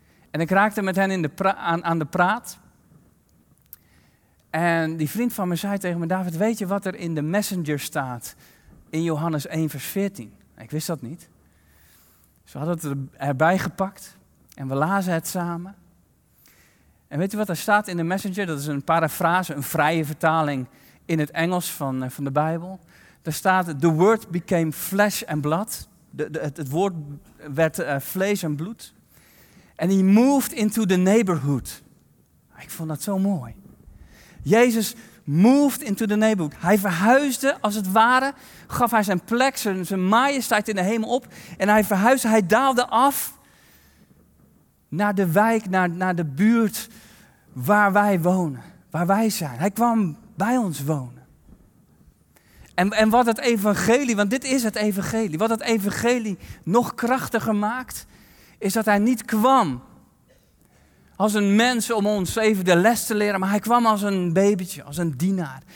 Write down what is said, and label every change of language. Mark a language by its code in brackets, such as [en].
[nl] En ik raakte met hen aan de praat. En die vriend van me zei tegen me: David, weet je wat er in de messenger staat in Johannes 1 vers 14? Ik wist dat niet. Dus we hadden het erbij gepakt en we lazen het samen. En weet je wat er staat in de messenger? Dat is een parafrase, een vrije vertaling in het Engels van de Bijbel. Daar staat: [en] the word became flesh and blood. [nl] Het woord werd vlees en bloed. En [en] he moved into the neighborhood. [nl] Ik vond dat zo mooi. [en] Jezus moved into the neighborhood. [nl] Hij verhuisde, als het ware, gaf hij zijn plek, zijn majesteit in de hemel op. En hij verhuisde, hij daalde af naar de wijk, naar de buurt waar wij wonen, waar wij zijn. Hij kwam bij ons wonen. En wat het evangelie, want dit is het evangelie, wat het evangelie nog krachtiger maakt, is dat hij niet kwam als een mens om ons even de les te leren, maar hij kwam als een babytje, als een dienaar.